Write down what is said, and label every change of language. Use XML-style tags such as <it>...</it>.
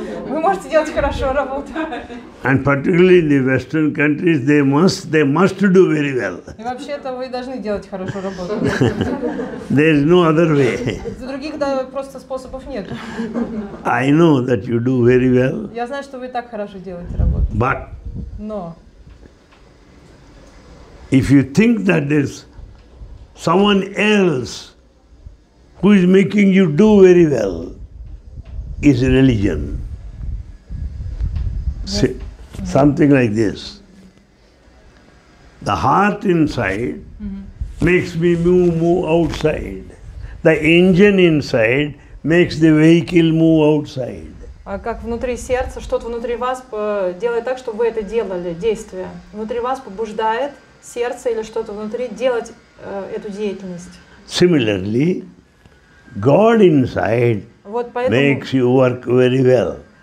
<ru>Вы можете делать хорошо работу.</ru> <en>And particularly in the Western countries, they must do very well.</en> <ru>И вообще-то вы должны делать хорошо работу.</ru> <en>There is no other way.</en> <ru>Других просто способов нет.</ru> <en>I know that you do very well.</en> <ru>Я знаю, что вы так хорошо делаете работу.</ru> <en>But.</en> <ru>Но.</ru> <en>If you think that there's someone else who is making you do very well, is religion. Yes. Something like this. The heart inside makes me move outside. The engine inside makes the vehicle move outside.</en> <ru>А как внутри сердца, что-то внутри вас делает так, чтобы вы это делали, действие. Внутри вас побуждает сердце или что-то внутри делать эту деятельность.</ru> <en>Similarly, God inside</en> <ru>вот поэтому,</ru> <en>makes you work very well.</en>